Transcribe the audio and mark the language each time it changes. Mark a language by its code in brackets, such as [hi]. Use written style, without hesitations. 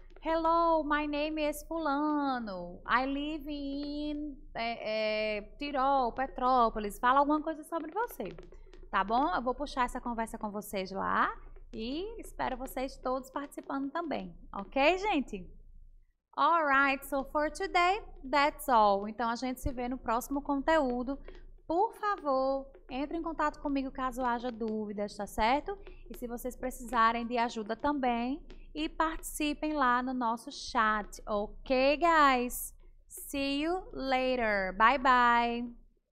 [en] Hello, my name is fulano. I live in Tirol, Petrópolis. [pt] Fala alguma coisa sobre você, tá bom? Eu vou puxar essa conversa com vocês lá e espero vocês todos participando também, ok, gente? [en] Alright, so for today, that's all. [pt] Então a gente se vê no próximo conteúdo. Por favor, entre em contato comigo caso haja dúvidas, tá certo? E se vocês precisarem de ajuda também, e participem lá no nosso chat, ok, guys? [en] See you later. Bye bye.